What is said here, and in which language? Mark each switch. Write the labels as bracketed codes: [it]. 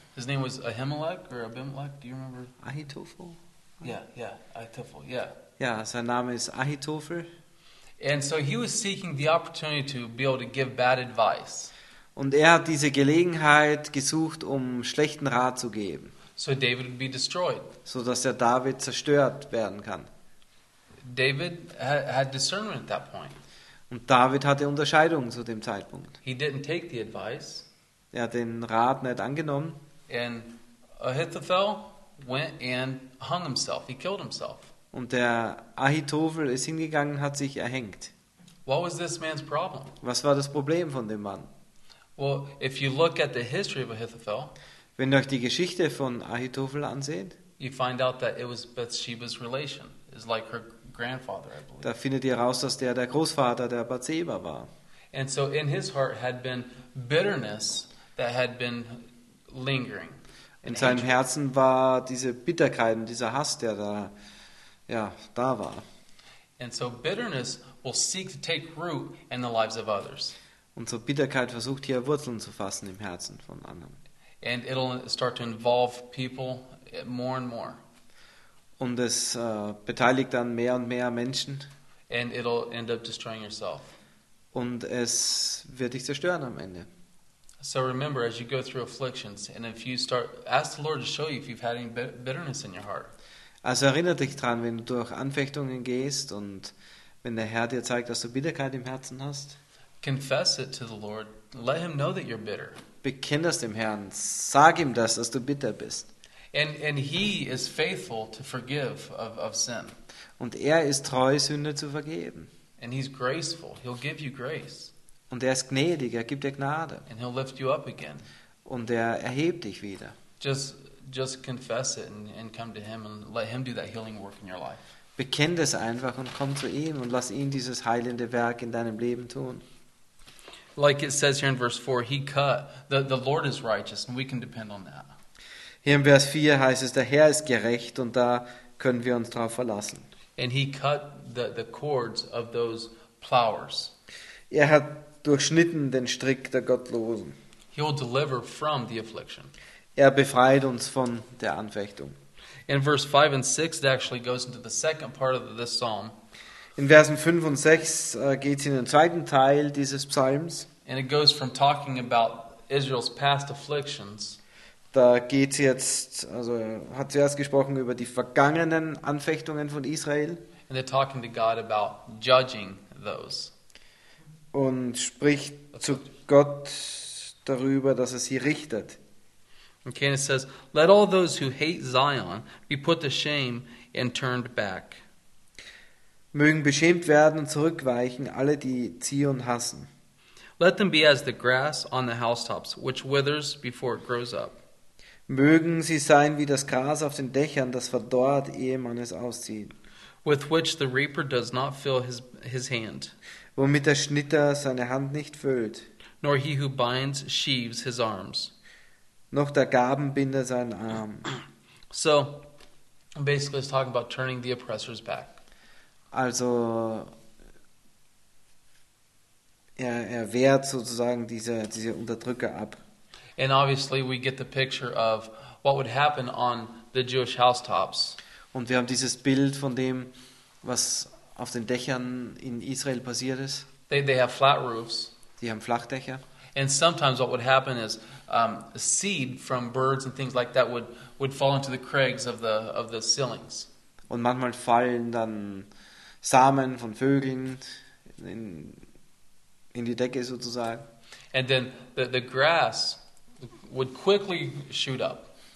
[en] His name was Ahimelech or Abimelech, do you remember? Ahitophel. Yeah. [de] Ja, sein Name ist Ahitophel. [en] And so he was seeking the opportunity to be able to give bad advice. [de] Und er hat diese Gelegenheit gesucht, um schlechten Rat zu geben. [en] So David would be destroyed. [de] So dass der David zerstört werden kann. [en] David had discernment at that point. [de] Und David hatte Unterscheidung zu dem Zeitpunkt. [en] He didn't take the advice. [de] Er hat den Rat nicht angenommen. [en] And Ahithophel went and hung himself. He killed himself. [de] Und der Ahitophel ist hingegangen, hat sich erhängt. [en] What was this man's problem? [de] Was war das Problem von dem Mann? [en] Well, if you look at the history of Ahithophel, [de] wenn ihr euch die Geschichte von Ahitophel ansehen, [en] you find out that it was Bathsheba's relation. It's like her grandfather, I believe. [de] Da findet ihr raus, dass der Großvater der Bathsheba war. [en] And so in his heart had been bitterness that had been lingering. [de] In seinem Herzen war diese Bitterkeit und dieser Hass, der da, ja, da war. [en] And so bitterness will seek to take root in the lives of others. [de] Und so Bitterkeit versucht hier Wurzeln zu fassen im Herzen von anderen. [en] And it'll start to involve people more and more. [de] Und es beteiligt dann mehr und mehr Menschen. [en] And it'll end up destroying yourself. [de] Und es wird dich zerstören am Ende. [en] So remember, as you go through afflictions, and if you start, ask the Lord to show you if you've had any bitterness in your heart. [de] Also erinnere dich dran, wenn du durch Anfechtungen gehst und wenn der Herr dir zeigt, dass du Bitterkeit im Herzen hast. [en] Confess it to the Lord. Let him know that you're bitter. [de] Bekenn das dem Herrn. Sag ihm das, dass du bitter bist. [en] And he is faithful to forgive of sin. [de] Und er ist treu, Sünde zu vergeben. [en] And he's graceful. He'll give you grace. [de] Und er ist gnädig. Er gibt dir Gnade. [en] And he'll lift you up again. [de] Und er erhebt dich wieder. [en] Just confess it and come to him and let him do that healing work in your life. [de] Bekenn es einfach und komm zu ihm und lass ihn dieses heilende Werk in deinem Leben tun. [en] Like it says here in verse 4, he cut. The Lord is righteous and we can depend on that. [de] Hier in Vers 4 heißt es, der Herr ist gerecht und da können wir uns drauf verlassen. [en] And he cut the cords of those plowers. [de] Er hat durchschnitten den Strick der Gottlosen. [en] He will deliver from the affliction. [de] Er befreit uns von der Anfechtung. [en] In verse 5 and 6, it actually goes into the second part of this psalm. [de] In Versen 5 und 6 geht es in den zweiten Teil dieses Psalms. [en] And it goes from talking about Israel's past afflictions. [de] Da geht es jetzt, also hat zuerst gesprochen über die vergangenen Anfechtungen von Israel. [en] And they're talking to God about judging those. [de] Und spricht zu Gott darüber, dass er sie richtet. [en] Okay, and it says, let all those who hate Zion be put to shame and turned back. [de] Mögen beschämt werden und zurückweichen, alle, die Zion hassen. [en] Let them be as the grass on the housetops, which withers before it grows up. [de] Mögen sie sein wie das Gras auf den Dächern, das verdorrt, ehe man es auszieht. [en] With which the reaper does not fill his hand. [de] Womit der Schnitter seine Hand nicht füllt. [en] Nor he who binds sheaves his arms. [de] Noch der Gabenbinder seinen Arm. [en] So, basically it's talking about turning the oppressors back. [de] Also, er wehrt sozusagen diese Unterdrücker ab. [en] And obviously we get the picture of what would happen on the Jewish housetops. [de] Und wir haben dieses Bild von dem, was auf den Dächern in Israel passiert ist. [en] They have flat roofs. [de] Die haben Flachdächer. [en] And sometimes what would happen is seed from birds and things like that would fall into the crags of the ceilings. [de] Und manchmal fallen dann Samen von Vögeln in die Decke sozusagen. [en] And then the grass would quickly shoot up.